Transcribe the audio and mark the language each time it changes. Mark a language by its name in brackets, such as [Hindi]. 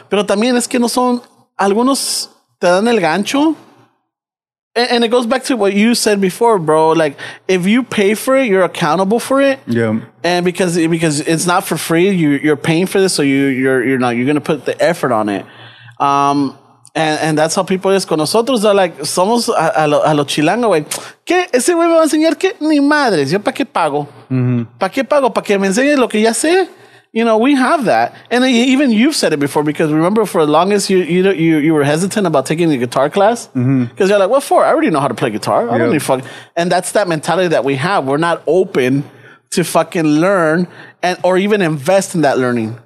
[Spanish] Pero también es que no son, algunos te dan el gancho. [English] And it goes back to what you said before, bro. Like, if you pay for it, you're accountable for it. Yeah. And because it's not for free, you're paying for this, so you're going to put the effort on it. And that's how people is [Spanish] con nosotros. [English] They're like, [Spanish] somos a lo chilango, güey. ¿Qué? Ese güey me va a enseñar que ni madres. ¿Yo para qué pago? Mm-hmm. ¿Para qué pago? ¿Para que me enseñe lo que ya sé? [English] You know, we have that. And even you've said it before, because remember for the longest you were hesitant about taking a guitar class. Because mm-hmm. you're like, what for? I already know how to play guitar. I don't need fuck. And that's that mentality that we have. We're not open to fucking learn or even invest in that learning.